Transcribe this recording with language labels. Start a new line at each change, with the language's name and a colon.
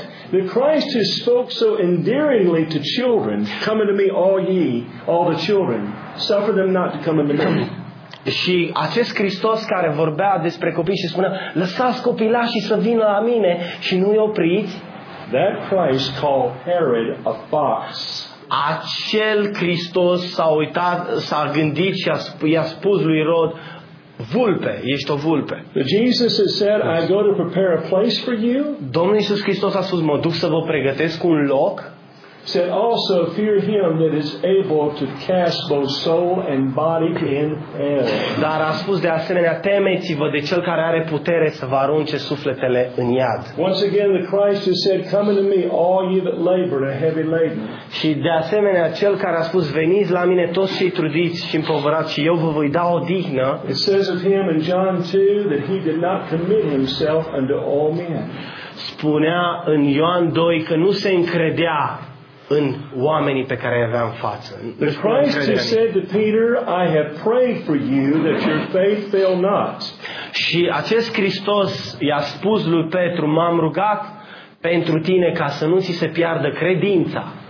English: The Christ who spoke so endearingly to children, "Come unto me all ye, all the children, suffer them not to come unto me."
Romanian: Și acest Hristos care vorbea despre copii și spunea, lăsați copilașii să vină la mine și nu-i opriți.
English: That Christ called Herod a fox.
Romanian: Acel Hristos s-a uitat, s-a gândit și i-a spus lui Rod, vulpe, ești o vulpe.
English: Jesus has said, "I go to prepare a place for you."
Romanian: Domnul Iisus Hristos a spus, mă duc să vă pregătesc un loc.
English: Said also, "Fear him that is able to cast both soul and body in hell."
Romanian: Dar a spus de asemenea, temeți-vă de cel care are putere să vă arunce sufletele în iad.
English: Once again, the Christ has said, "Come unto me, all you that labor and are heavy laden."
Romanian: Și de asemenea, cel care a spus, veniți la mine toți cei trudiți și împovărați și eu vă voi da odihnă.
English: It says of him in John 2 that he did not commit himself unto all men.
Romanian: Spunea în Ioan 2 că nu se încredea în oamenii pe care îi avea în față.
English: The Christ has said to Peter, I have prayed for you that your faith fail not.
Romanian: Și acest Hristos i-a spus lui Petru, m-am rugat pentru tine ca să nu ți se piardă credința.